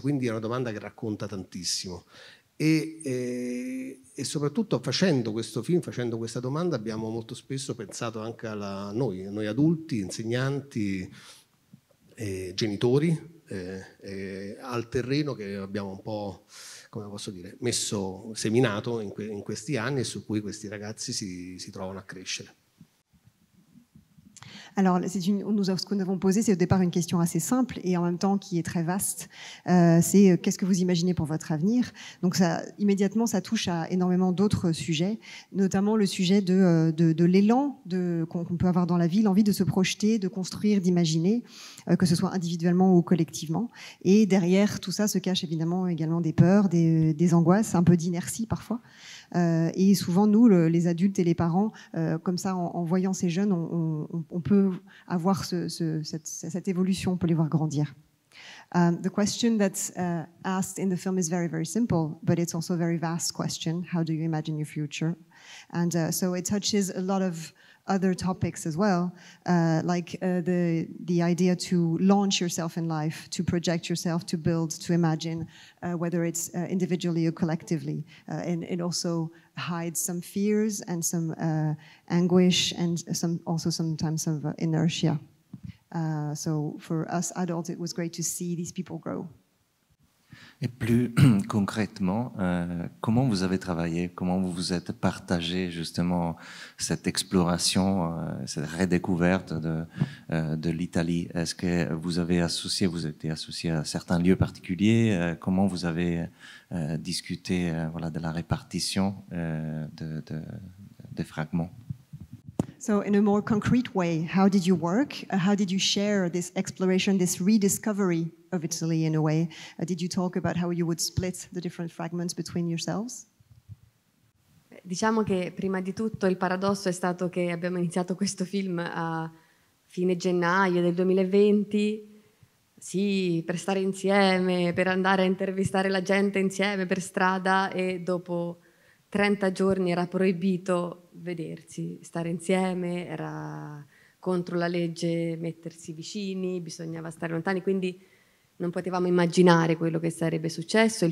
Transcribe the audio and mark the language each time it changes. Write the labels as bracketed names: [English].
[Italian] Quindi è una domanda che racconta tantissimo. E soprattutto facendo questo film, facendo questa domanda, abbiamo molto spesso pensato anche a noi adulti, insegnanti, genitori, al terreno che abbiamo un po', come posso dire, messo, seminato in questi anni e su cui questi ragazzi si trovano a crescere. [French] Alors, ce que nous avons posé, c'est au départ une question assez simple et en même temps qui est très vaste. C'est qu'est-ce que vous imaginez pour votre avenir ? Donc, ça, immédiatement, ça touche à énormément d'autres sujets, notamment le sujet de l'élan qu'on peut avoir dans la vie, l'envie de se projeter, de construire, d'imaginer, que ce soit individuellement ou collectivement. Et derrière tout ça se cachent évidemment également des peurs, des angoisses, un peu d'inertie parfois. Et souvent, nous, les adultes et les parents, comme ça, en voyant ces jeunes, on peut avoir cette évolution, on peut les voir grandir. [English] The question that's asked in the film is very, very simple, but it's also a very vast question. How do you imagine your future? And so it touches a lot of other topics as well, like the idea to launch yourself in life, to project yourself, to build, to imagine, whether it's individually or collectively. And it also hides some fears and some anguish and sometimes some inertia. So for us adults, it was great to see these people grow. [French] Et plus concrètement, comment vous avez travaillé, comment vous vous êtes partagé justement cette exploration, cette redécouverte de l'Italie? Est-ce que vous avez été associé à certains lieux particuliers? Comment vous avez discuté de la répartition de fragments? [English] So in a more concrete way, how did you work? How did you share this exploration, this rediscovery of Italy in a way. Did you talk about how you would split the different fragments between yourselves? [Italian] Diciamo che prima di tutto il paradosso è stato che abbiamo iniziato questo film a fine gennaio del 2020, sì, per stare insieme, per andare a intervistare la gente insieme per strada, e dopo 30 giorni era proibito vedersi, stare insieme, era contro la legge mettersi vicini, bisognava stare lontani, quindi non potevamo immaginare quello che sarebbe successo.